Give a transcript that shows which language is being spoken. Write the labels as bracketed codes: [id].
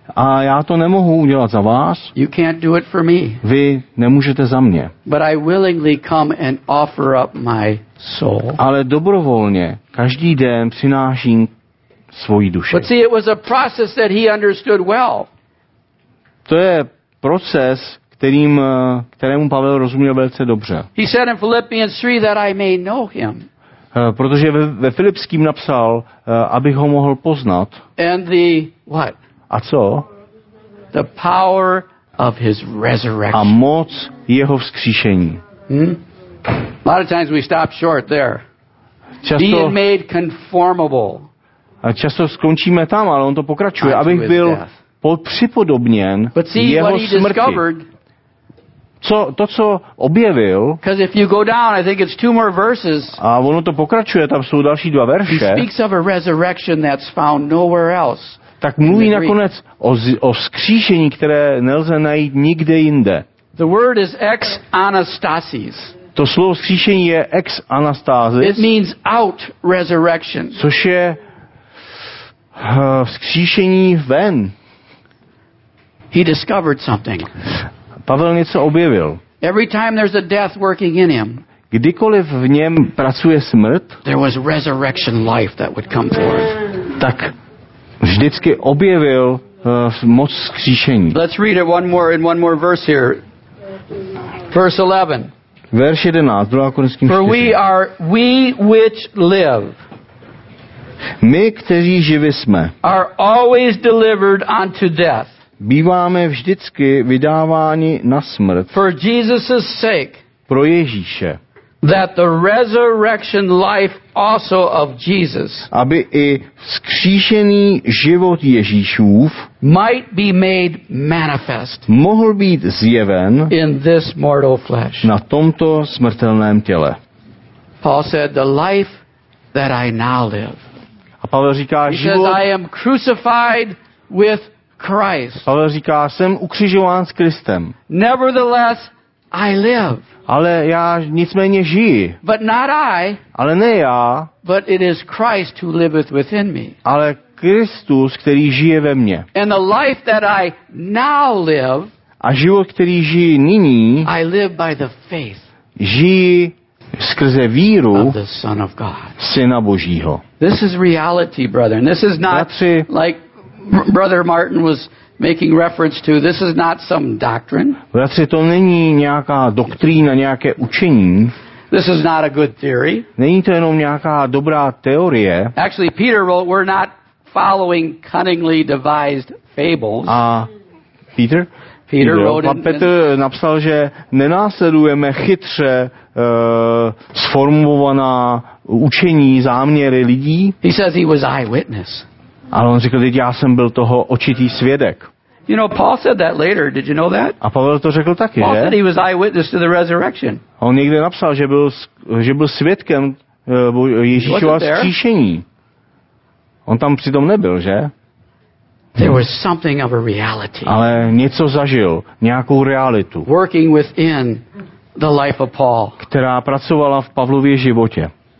[cs] A já to nemohu udělat za vás. [en] You can't do it for me. [cs] Vy nemůžete za mě. [en] But I willingly come and offer up my soul. [cs] Ale dobrovolně každý den přináším svoji duši. [en] But see, it was a process that he understood well. [cs] To je proces, kterému Pavel rozuměl velice dobře. [en] He said in Philippians 3 that I may know him. [cs] Protože ve Filipským napsal, abych ho mohl poznat. [en] And the, what? [cs] A co? [en] The power of his resurrection. [cs] A moc jeho vzkříšení. [en] A lot of times we stop short there. [cs] Často, [en] being made conformable. [cs] A často skončíme tam, ale on to pokračuje. Abych byl připodobněn jeho smrti. Co objevil, [en] because if you go down, I think it's two more verses, [cs] a ono to pokračuje, tam jsou další dva verše, [en] he speaks of a resurrection that's found nowhere else. [cs] Tak mluví nakonec o vzkříšení, které nelze najít nikde jinde. [en] The word is ex anastasis. [cs] To slovo vzkříšení je ex anastasis. [en] It means out resurrection. [cs] Což je vzkříšení ven. [en] He discovered something. [cs] Pavel něco objevil. [en] Every time there's a death working in him, [cs] kdykoliv v něm pracuje smrt, [en] there was resurrection life that would come forth. [cs] Tak vždycky objevil moc vzkříšení. [en] Let's read it one more verse here. Verse 11. [cs] Verš 11, 2. Korinským [en] 4. For we are we which live. [cs] My, kteří živi jsme, [en] are always delivered unto death. [cs] Býváme vždycky vydáváni na smrt. [en] For Jesus's sake. [cs] Pro Ježíše. [en] That the resurrection life also of Jesus. [cs] Aby i vzkříšený život Ježíšův [en] might be made manifest. [cs] Mohl být zjeven [en] in this mortal flesh. [cs] Na tomto smrtelném těle. [en] Paul said, the life that I now live. [cs] A Pavel říká, he život. [en] Says, I am crucified with Christ. [cs] Pavel říká, jsem ukřižován s Kristem. [en] Nevertheless, I live. [cs] Ale já nicméně žiji. [en] But not I. [cs] Ale ne já. [en] But it is Christ who liveth within me. [cs] Ale Kristus, který žije ve mně. [en] And the life that I now live. [cs] A život, který žiji nyní. [en] I live by the faith. [cs] Žiji skrze víru [en] of the Son of God. [cs] Syna Božího. [en] This is reality, brother. And this is not [cs] bratři, [en] like Brother Martin was making reference to, this is not some doctrine. [cs] Bratři, to není nějaká doktrína, nějaké učení. [en] This is not a good theory. [cs] Není to jenom nějaká dobrá teorie. [en] Actually, Peter wrote, we're not following cunningly devised fables. [cs] A Peter? [en] Peter wrote, [cs] Petr napsal, že nenásledujeme chytře sformovaná učení, záměry lidí. [en] He says he was eyewitness. [cs] Ale on řekl, já jsem byl toho očitý svědek. [en] You know, Paul said that later. Did you know that? [cs] A Pavel to řekl taky, [en] Paul [cs] že? [en] Said he was eyewitness to the resurrection. [cs] On někde napsal, že byl svědkem Ježíšova vzkříšení. On tam přitom nebyl, že? [en] There was something of a reality. [cs] Ale něco zažil, nějakou realitu. [en] Working within the life of Paul. [cs] Která pracovala v Pavlově životě.